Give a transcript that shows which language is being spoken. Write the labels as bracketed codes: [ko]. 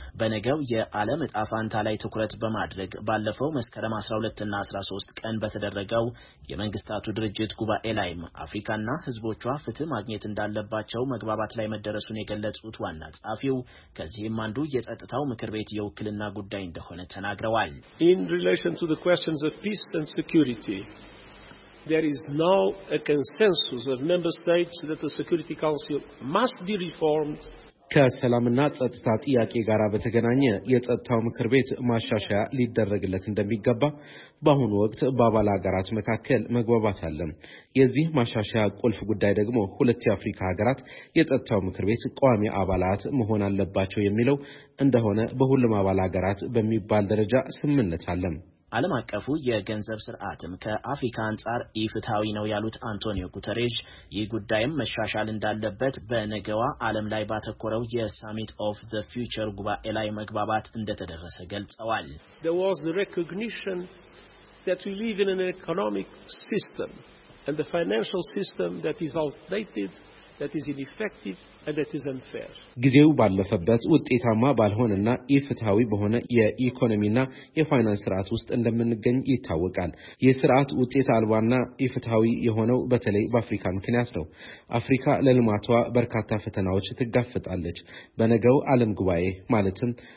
[am] በነገው የዓለም እጣ ፈንታ ላይ ትኩረት በማድረግ ባለፈው መስከረም 12 እና 13 ቀን በተደረገው የመንግስታቱ ድርጅት ጉባኤ ላይም አፍሪካና ህዝቦቿ ፍትህ ማግኘት እንዳለባቸው መግባባት ላይ መደረሱን የገለጹት ዋና ጸሐፊው ከዚህም አንዱ የጸጥታው ምክር ቤት የውክልና ጉዳይ እንደሆነ ተናግረዋል። [en] In relation to the questions of peace and security, there is now a consensus of member states that the Security Council must be reformed. [am] ከሰላምና ጸጥታ ጥያቄ ጋር በተገናኘ የጸጥታው ምክር ቤት ማሻሻያ ሊደረግለት እንደሚገባ በአሁኑ ወቅት በአባል ሀገራት መካከል መግባባት አለ። የዚህ ማሻሻያ ቁልፍ ጉዳይ ደግሞ ሁለት የአፍሪካ ሀገራት የጸጥታው ምክር ቤት ቋሚ አባላት መሆን አለባቸው የሚለው እንደሆነ በሁሉም አባል ሀገራት በሚባል ደረጃ ስምምነት አለ። ዓለም አቀፉ የገንዘብ ስርዓትም ከአፍሪካ አንጻር ኢፍትሃዊ ነው ያሉት አንቶኒዮ ጉተሬሽ ይህ ጉዳይም መሻሻል እንዳለበት በነገዋ ዓለም ላይ ባተኮረው የSummit of the Future ጉባኤ ላይ መግባባት እንደተደረሰ ገልጸዋል። [en] There was the recognition that we live in an economic system and the financial system that is outdated, that is ineffective and that is unfair. [am] ግዜው ባለፈበት ውጤታማ ባልሆነና ኢፍትሃዊ በሆነ የኢኮኖሚና የፋይናንስ ስርዓት ውስጥ እንደምንገኝ ይታወቃል። የስርዓት ውጤት አልባና ኢፍትሃዊ የሆነው በተለይ በአፍሪካ ምክንያት ነው። አፍሪካ ለልማቷ በርካታ ፈተናዎች ትጋፈጣለች። በነገው ዓለም ጉባኤ ማለትም